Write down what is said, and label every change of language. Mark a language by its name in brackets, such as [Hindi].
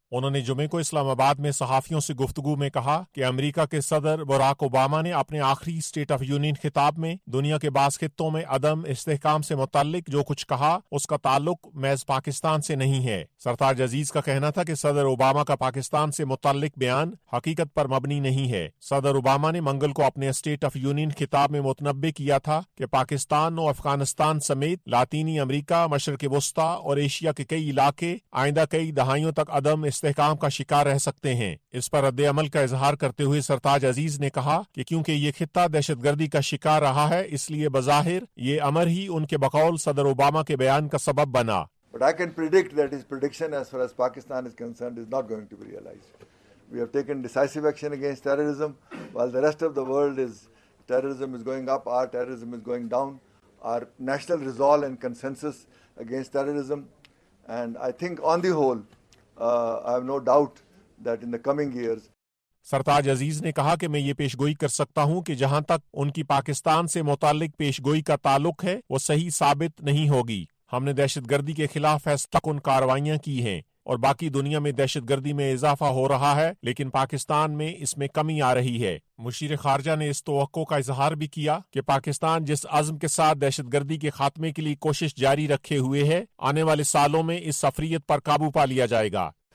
[Urdu] انہوں نے جمعے کو اسلام آباد میں صحافیوں سے گفتگو میں کہا کہ امریکہ کے صدر باراک اوباما نے اپنے آخری سٹیٹ آف یونین خطاب میں دنیا کے بعض خطوں میں عدم استحکام سے متعلق جو کچھ کہا اس کا تعلق محض پاکستان سے نہیں ہے۔ سرتاج عزیز کا کہنا تھا کہ صدر اوباما کا پاکستان سے متعلق بیان حقیقت پر مبنی نہیں ہے۔ صدر اوباما نے منگل کو اپنے سٹیٹ آف یونین خطاب میں متنبہ کیا تھا کہ پاکستان اور افغانستان سمیت لاطینی امریکہ، مشرق وسطی اور ایشیا کے کئی علاقے آئندہ کئی دہائیوں تک عدم استحکام کا شکار رہ سکتے ہیں۔ اس پر رد عمل کا اظہار کرتے ہوئے سرتاج عزیز نے کہا کہ کیونکہ یہ خطہ دہشت گردی کا شکار رہا ہے، اس لیے بظاہر یہ امر ہی ان کے بقول صدر اوباما کے بیان کا سبب بنا۔ [English] But I can predict that his prediction as far as Pakistan is concerned is not going to be realized. We have taken decisive action against terrorism while the rest of the world is terrorism is going up, our terrorism is going down. Our national resolve and consensus against terrorism and I think on the whole I have no doubt that in the coming years [Urdu] سرتاج عزیز نے کہا کہ میں یہ پیش گوئی کر سکتا ہوں کہ جہاں تک ان کی پاکستان سے متعلق پیش گوئی کا تعلق ہے وہ صحیح ثابت نہیں ہوگی۔ ہم نے دہشت گردی کے خلاف فیصلہ کن کاروائیاں کی ہیں اور باقی دنیا میں دہشت گردی میں اضافہ ہو رہا ہے، لیکن پاکستان میں اس میں کمی آ رہی ہے۔ مشیر خارجہ نے اس توقع کا اظہار بھی کیا کہ پاکستان جس عزم کے ساتھ دہشت گردی کے خاتمے کے لیے کوشش جاری رکھے ہوئے ہے، آنے والے سالوں میں اس سفریت پر قابو پا لیا جائے گا۔